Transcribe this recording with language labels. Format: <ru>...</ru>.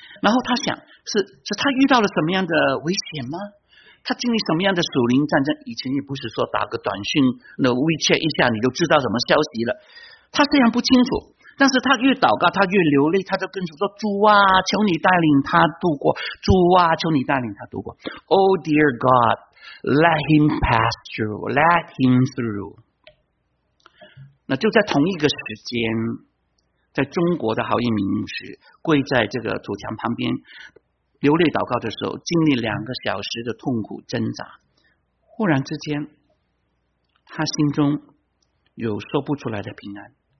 <zh>然后他想，是他遇到了什么样的危险吗？他经历什么样的属灵战争？以前也不是说打个短讯那 WeChat 一下你就知道什么消息了，他虽然不清楚，但是他越祷告他越流泪，他就跟主说：主啊，求你带领他度过，主啊，求你带领他度过。</zh> <en>Oh dear God, let him pass through, let him through。</en> <zh>那就在同一个时间，在中国的豪英明牧师跪在这个土墙旁边流泪祷告的时候，经历2个小时的痛苦挣扎，忽然之间他心中有说不出来的平安。</zh>